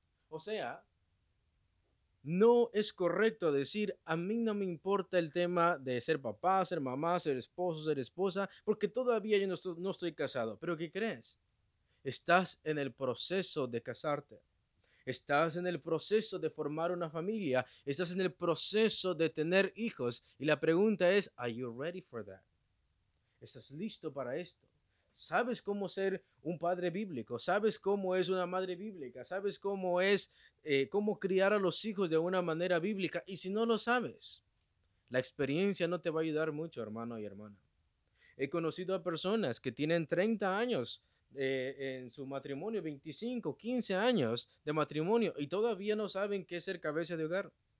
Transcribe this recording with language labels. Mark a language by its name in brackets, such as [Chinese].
[Spanish] O sea, no es correcto decir, a mí no me importa el tema de ser papá, ser mamá, ser esposo, ser esposa, porque todavía yo no estoy casado. ¿Pero qué crees? Estás en el proceso de casarte. Estás en el proceso de formar una familia. Estás en el proceso de tener hijos. Y la pregunta es, [English] are you ready for that? [Spanish] ¿Estás listo para esto? ¿Sabes cómo ser un padre bíblico? ¿Sabes cómo es una madre bíblica? ¿Sabes cómo es cómo criar a los hijos de una manera bíblica? Y si no lo sabes, la experiencia no te va a ayudar mucho, hermano y hermana. He conocido a personas que tienen 30 años en su matrimonio, 25, 15 años de matrimonio, y todavía no saben qué es ser cabeza de hogar.